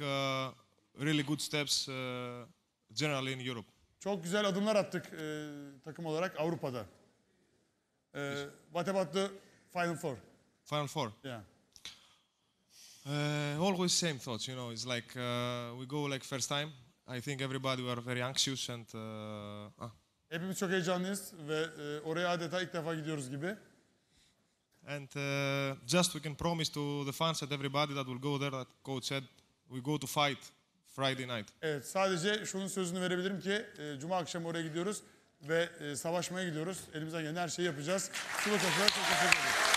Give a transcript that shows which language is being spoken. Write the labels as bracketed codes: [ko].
[en] make really good steps generally in Europe. [tr] Çok güzel adımlar attık takım olarak Avrupa'da. [en] What about the Final Four? Final Four? Yeah. Always same thoughts, you know, it's like we go like first time. I think everybody were very anxious and [tr] Hepimiz çok heyecanlıyız ve oraya adeta ilk defa gidiyoruz gibi. [en] And just we can promise to the fans and everybody that will go there that coach said we go to fight Friday night. [tr] Evet, sadece şunun sözünü verebilirim ki cuma akşamı oraya gidiyoruz ve savaşmaya gidiyoruz. Elimizden gelen her şeyi yapacağız. Sulu Kasa'ya çok teşekkür ederim.